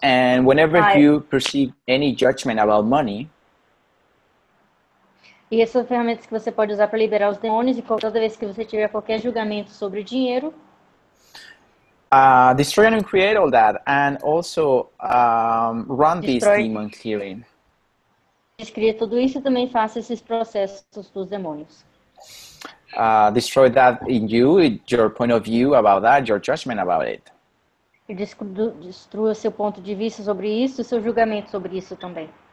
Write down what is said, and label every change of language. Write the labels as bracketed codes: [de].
[en] And whenever you perceive any judgment about money... [pt] E essas são ferramentas que você pode usar para liberar os demônios e toda vez que você tiver qualquer julgamento sobre dinheiro. [en] Destroy and create all that and also run this demon clearing. [pt] Descria tudo isso e também faça esses processos dos demônios. [en] Destroy that in you, your point of view about that, your judgment about it. [pt] E destrua seu ponto de vista sobre isso e seu julgamento sobre isso também.